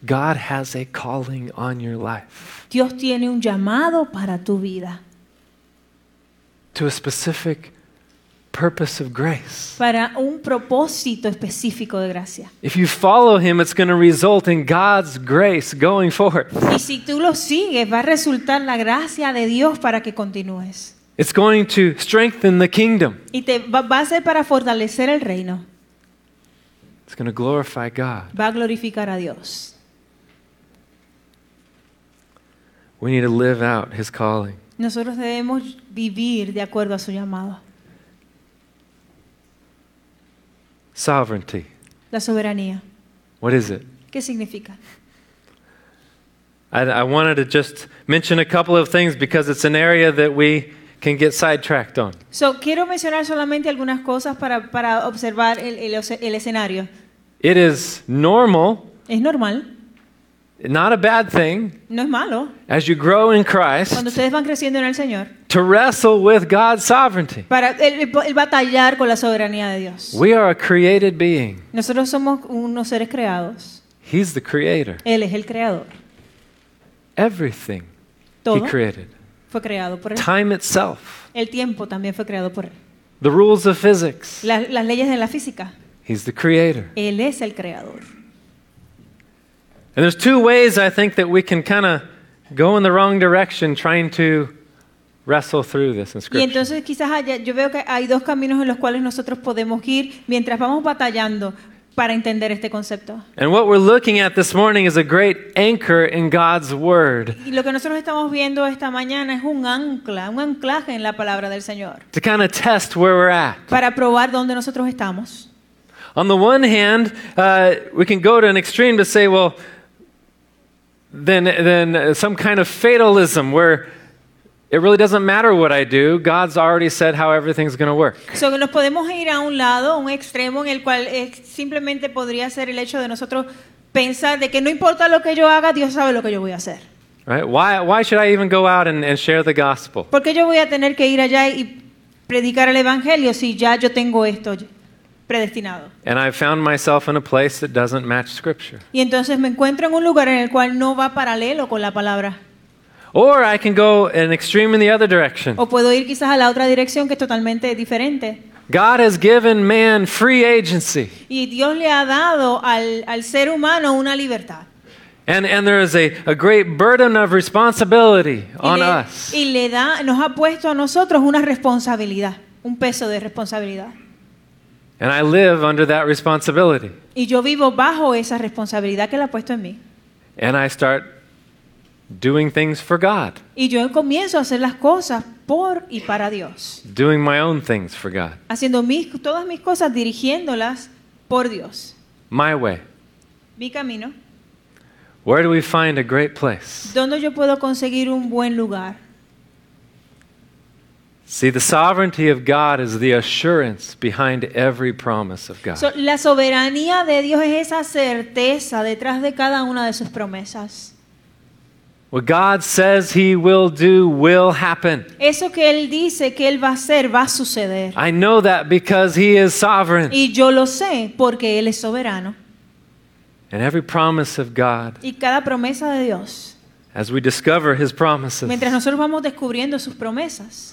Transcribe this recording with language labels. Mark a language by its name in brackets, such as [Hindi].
[English] God has a calling on your life. [Spanish] Dios tiene un llamado para tu vida. [English] To a specific purpose of grace. [Spanish] Para un propósito específico de gracia. [English] If you follow him, it's going to result in God's grace going forward. [Spanish] Y si tú lo sigues, va a resultar la gracia de Dios para que continúes. [English] It's going to strengthen the kingdom. [Spanish] Y te va a ser para fortalecer el reino. [English] It's going to glorify God. [Spanish] Va a glorificar a Dios. [English] We need to live out his calling. [Spanish] Nosotros debemos vivir de acuerdo a su llamado. [English] Sovereignty. [Spanish] La soberanía. [English] What is it? [Spanish] ¿Qué significa? [English] I wanted to just mention a couple of things because it's an area that we can get sidetracked on. [Spanish] So, quiero mencionar solamente algunas cosas para observar el escenario. [English] It is normal. [Spanish] Es normal. [English] Not a bad thing. [Spanish] No es malo. [English] As you grow in Christ. [Spanish] Cuando ustedes van creciendo en el Señor. [English] To wrestle with God's sovereignty. [Spanish] Para el batallar con la soberanía de Dios. [English] We are a created being. [Spanish] Nosotros somos unos seres creados. [English] He's the creator. [Spanish] Él es el creador. [English] Everything [Spanish] todo [English] he created. [Spanish] Fue creado por él. [English] Time itself. [Spanish] El tiempo también fue creado por él. [English] The rules of physics. [Spanish] Las leyes de la física. [English] He's the creator. [Spanish] Él es el creador. [English] And there's two ways I think that we can kind of go in the wrong direction trying to wrestle through this in scripture. [Spanish] Y entonces quizás haya, yo veo que hay dos caminos en los cuales nosotros podemos ir mientras vamos batallando para entender este concepto. [English] And what we're looking at this morning is a great anchor in God's word. [Spanish] Y lo que nosotros estamos viendo esta mañana es un anclaje en la palabra del Señor. [English] To kind of test where we're at. [Spanish] Para probar dónde nosotros estamos. [English] On the one hand, we can go to an extreme to say, well, then some kind of fatalism where it really doesn't matter what I do. God's already said how everything's going to work. [Spanish] So, nos podemos ir a un lado, un extremo en el cual simplemente podría ser el hecho de nosotros pensar de que no importa lo que yo haga, Dios sabe lo que yo voy a hacer. [English] Right? Why should I even go out and share the gospel? [Spanish] ¿Por qué yo voy a tener que ir allá y predicar el evangelio si ya yo tengo esto? [English] And I found myself in a place that doesn't match scripture. [Spanish] Y entonces me encuentro en un lugar en el cual no va paralelo con la palabra. [English] Or I can go an extreme in the other direction. [Spanish] O puedo ir quizás a la otra dirección que es totalmente diferente. [English] God has given man free agency. [Spanish] Y Dios le ha dado al ser humano una libertad. [English] And there is a great burden of responsibility on us. [Spanish] Y le da, nos ha puesto a nosotros una responsabilidad, un peso de responsabilidad. [English] And I live under that responsibility. [Spanish] Y yo vivo bajo esa responsabilidad que él ha puesto en mí. [English] And I start doing things for God. [Spanish] Y yo comienzo a hacer las cosas por y para Dios. [English] Doing my own things for God. [Spanish] Haciendo todas mis cosas dirigiéndolas por Dios. [English] My way. [Spanish] Mi camino. [English] Where do we find a great place? [Spanish] ¿Dónde yo puedo conseguir un buen lugar? [English] See, the sovereignty of God is the assurance behind every promise of God. [Spanish] So, la soberanía de Dios es esa certeza detrás de cada una de sus promesas. [English] What God says He will do will happen. [Spanish] Eso que Él dice que Él va a hacer va a suceder. [English] I know that because He is sovereign. [Spanish] Y yo lo sé porque Él es soberano. [English] And every promise of God. [Spanish] Y cada promesa de Dios. [English] As we discover His promises, [Spanish] mientras nosotros vamos descubriendo sus promesas,